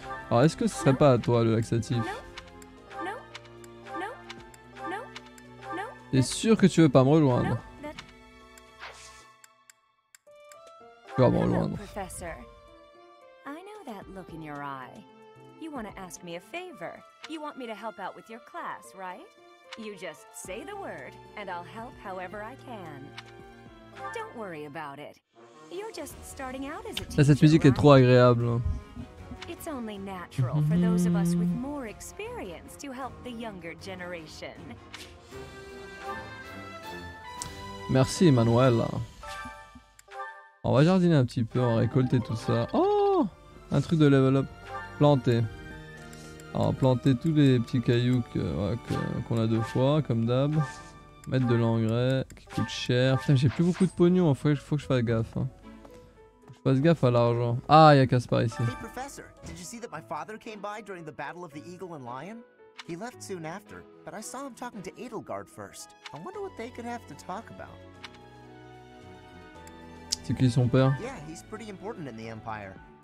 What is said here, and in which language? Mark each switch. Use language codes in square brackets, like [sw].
[fr] Alors est-ce que ce serait pas à toi le laxatif? Non. T'es sûr que tu veux pas me rejoindre? Tu vas me rejoindre. [en] Professor, I know that look in your eye. You want to ask me a favor. You want me to help out with your class, right? You just say the word, and I'll help however I can. Don't worry about it. You're just starting out as a teacher. [fr] Cette musique est trop agréable. [en] It's only natural for those of us with more experience to help the younger generation. [fr] Merci, Manuel. On va jardiner un petit peu, on va récolter tout ça. Oh, un truc de level up. Planter. Alors, planter tous les petits cailloux qu'on a deux fois, comme d'hab. Mettre de l'engrais qui coûte cher. Putain, j'ai plus beaucoup de pognon, faut que je fasse gaffe. Hein. Faut que je Fasse gaffe à l'argent. Ah, il y a Caspar ici. [en] Hey professor, did you see that my father came by during the battle of the Eagle and Lion? He left soon after, but I saw him talking to Edelgard first. I wonder what they could have to talk about. [fr] C'est qui son père? [en] Yeah, he's pretty important in the Empire.